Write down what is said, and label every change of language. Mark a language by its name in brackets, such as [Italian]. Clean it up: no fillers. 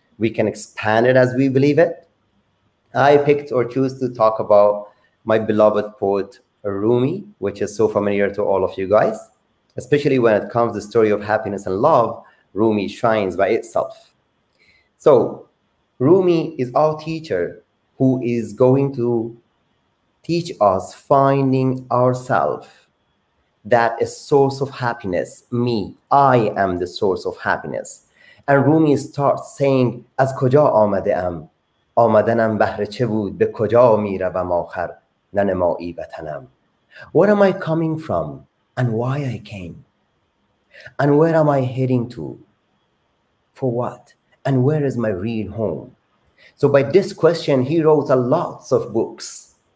[English] We can expand it as we believe it. I picked or choose to talk about my beloved poet, Rumi, which is so familiar to all of you guys, especially when it comes to the story of happiness and love, Rumi shines by itself. So Rumi is our teacher who is going to teach us finding ourselves, that is source of happiness, me. I am the source of happiness. And Rumi starts saying, [Persian] از کجا آمده ام؟ آمدنم بهر چه بود؟ به کجا میروم آخر؟ ننمایی وطنم. [English] Where am I coming from and why I came? And where am I heading to? For what? And where is my real home? So by this question, he wrote a lot of books.